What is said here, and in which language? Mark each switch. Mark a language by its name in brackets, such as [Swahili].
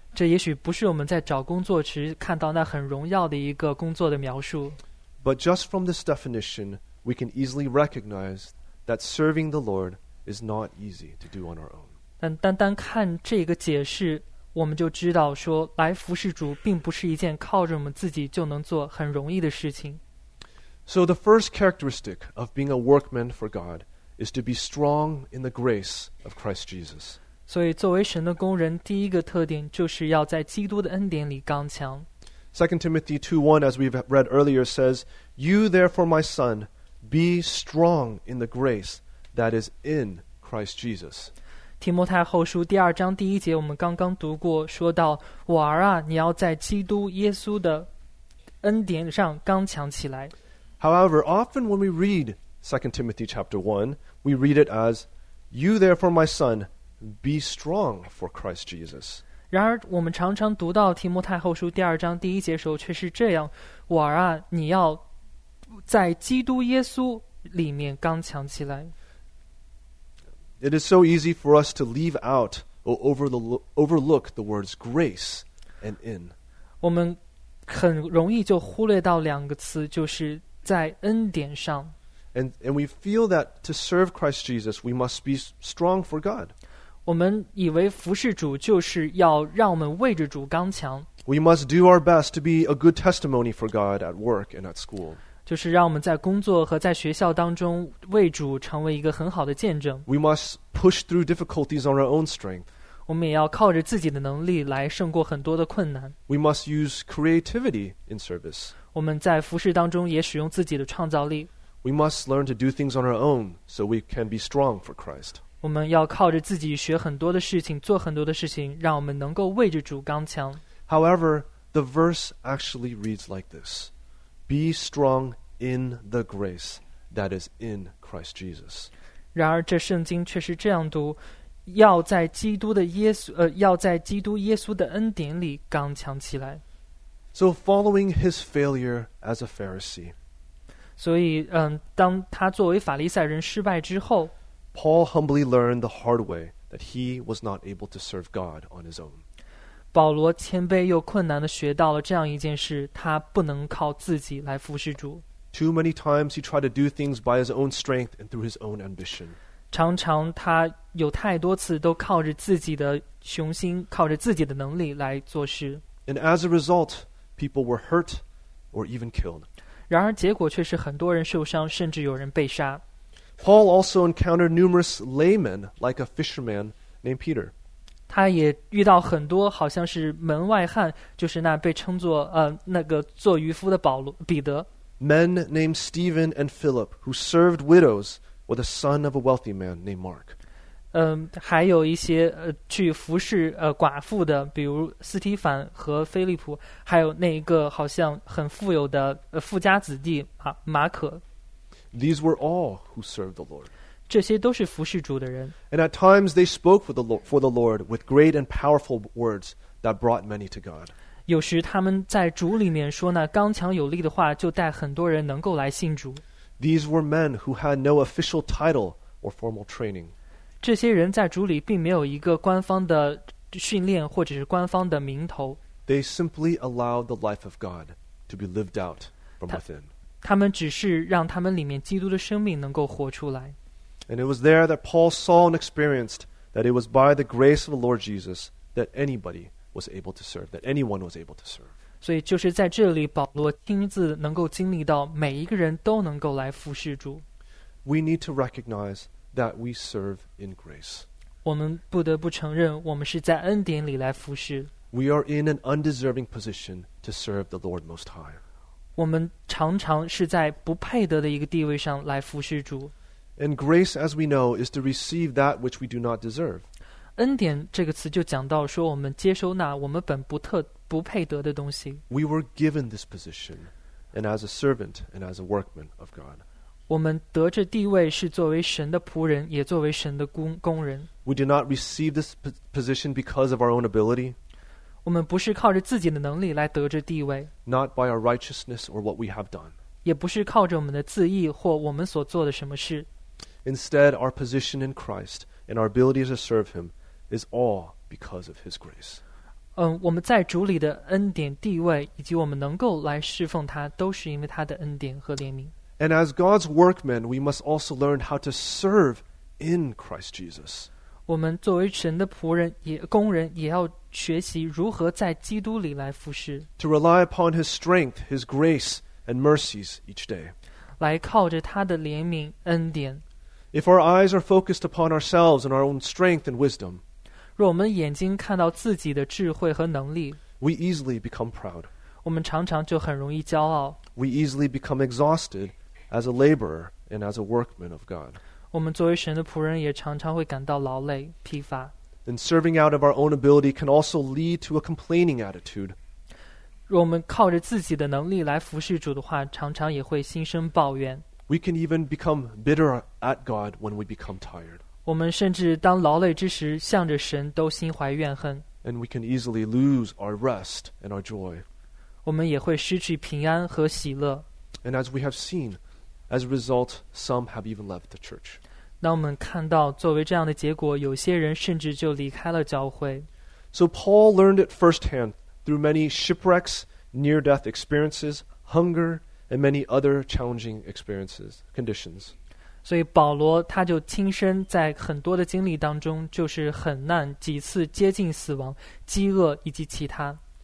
[Chinese] 这也许不是我们在找工作时看到那很荣耀的一个工作的描述。 [English] But just from this definition,we can easily recognize that serving the Lord is not easy to do on our own. [Chinese] 但单单看这个解释，我们就知道说来服侍主并不是一件靠着我们自己就能做很容易的事情。 [English] So the first characteristic of being a workman for God is to be strong in the grace of Christ Jesus. [Chinese] 所以作为神的工人，第一个特点就是要在基督的恩典里刚强。 [English] 2 Timothy 2:1, as we've read earlier, says, You therefore, my son,Be strong in the grace that is in Christ Jesus. [Chinese] 提摩太后书第二章第一节我们刚刚读过说到我儿啊你要在基督耶稣的恩典上刚强起来。 [English] However, often when we read 2 Timothy chapter 1, we read it as, You therefore, my son, be strong for Christ Jesus. [Chinese] 然而我们常常读到提摩太后书第二章第一节的时候却是这样我儿啊你要在基督耶稣里面刚强起来。 [English] It is so easy for us to leave out or overlook the words grace and in. [Chinese] 我们很容易就忽略到两个词，就是在恩典上。 [English] And we feel that to serve Christ Jesus, we must be strong for God. [Chinese] 我们以为服侍主就是要让我们为着主刚强。 [English] We must do our best to be a good testimony for God at work and at school. [Chinese] 就是让我们在工作和在学校当中为主成为一个很好的见证。 [English] We must push through difficulties on our own strength. [Chinese] 我们也要靠着自己的能力来胜过很多的困难。 [English] We must use creativity in service. [Chinese] 我们在服事当中也使用自己的创造力。 [English] We must learn to do things on our own so we can be strong for Christ. [Chinese] 我们要靠着自己学很多的事情，做很多的事情，让我们能够为着主刚强。 [English] However, the verse actually reads like this. Be strong in the grace that is in Christ Jesus. [Chinese] 然而这圣经却是这样读要在基督的耶稣要在基督耶稣的恩典里刚强起来。 [English] So following his failure as a Pharisee. [Chinese] 所以当他作为法利赛人失败之后， [English] Paul humbly learned the hard way that he was not able to serve God on his own. [Chinese] 保罗谦卑又困难地学到了这样一件事，他不能靠自己来服侍主。 [English] Too many times he tried to do things by his own strength and through his own ambition. [Chinese] 常常他有太多次都靠着自己的雄心，靠着自己的能力来做事。 [English] And as a result, people were hurt or even killed. [Chinese] 然而结果却是很多人受伤，甚至有人被杀。 [English] Paul also encountered numerous laymen like a fisherman named Peter. [Chinese] 他也遇到很多好像是门外汉，就是那被称作那个做渔夫的保罗彼得。 [English] Men named Stephen and Philip, who served widows with a son of a wealthy man named Mark. [Chinese] 还有一些去服侍寡妇的，比如斯提凡和菲利普，还有那一个好像很富有的富家子弟马可。 [English] These were all who served the Lord. [Chinese] 这些都是服侍主的人。 [English] And at times they spoke for the Lord with great and powerful words that brought many to God. [Chinese] 有时他们在主里面说那刚强有力的话，就带很多人能够来信主。 [English] These were men who had no official title or formal training. [Chinese] 这些人在主里并没有一个官方的训练或者是官方的名头。 [English] They simply allowed the life of God to be lived out from within. [Chinese] 他们只是让他们里面基督的生命能够活出来。 [English] And it was there that Paul saw and experienced that it was by the grace of the Lord Jesus that anybody. Was able to serve, that anyone was able to serve. [Chinese] 所以就是在这里保罗亲自能够经历到每一个人都能够来服侍主。 [English] We need to recognize that we serve in grace. [Chinese] 我们不得不承认我们是在恩典里来服侍。 [English] We are in an undeserving position to serve the Lord Most High. [Chinese] 我们常常是在不配得的一个地位上来服侍主。 [English] And grace, as we know, is to receive that which we do not deserve. [Chinese] 恩典这个词就讲到说我们接收那我们本不配得的东西。 [English] We were given this position, and as a servant and as a workman of God. [Chinese] 我们得这地位是作为神的仆人，也作为神的工人。 [English] We did not receive this position because of our own ability. [Chinese] 我们不是靠着自己的能力来得这地位。 [English] Not by our righteousness or what we have done. [Chinese] 也不是靠着我们的自义或我们所做的什么事。 [English] Instead, our position in Christ. And our ability to serve him is all because of his grace. [Chinese] 我们在主里的恩典地位以及我们能够来侍奉他都是因为他的恩典和怜悯。 [English] And as God's workmen, we must also learn how to serve in Christ Jesus. [Chinese] 我们作为神的仆人也工人也要学习如何在基督里来服侍。 [English] To rely upon his strength, his grace, and mercies each day. [Chinese] 来靠着他的怜悯恩典。 [English] If our eyes are focused upon ourselves and our own strength and wisdom, [Chinese] 若我们眼睛看到自己的智慧和能力, [English] we easily become proud. [Chinese] 我们常常就很容易骄傲。 [English] We easily become exhausted as a laborer and as a workman of God. [Chinese] 我们作为神的仆人也常常会感到劳累、疲乏。 [English] And serving out of our own ability can also lead to a complaining attitude. [Chinese] 若我们靠着自己的能力来服侍主的话，常常也会心生抱怨。 [English] We can even become bitter at God when we become tired. [Chinese] 我们甚至当劳累之时，向着神都心怀怨恨。 [English] And we can easily lose our rest and our joy. [Chinese] 我们也会失去平安和喜乐。 [English] And as we have seen, as a result, some have even left the church. [Chinese] 那我们看到，作为这样的结果，有些人甚至就离开了教会。 [English] So Paul learned it firsthand through many shipwrecks, near-death experiences, hunger,and many other challenging experiences, conditions. [Chinese] 所以保罗他就亲身在很多的经历当中就是很难几次接近死亡饥饿以及其他。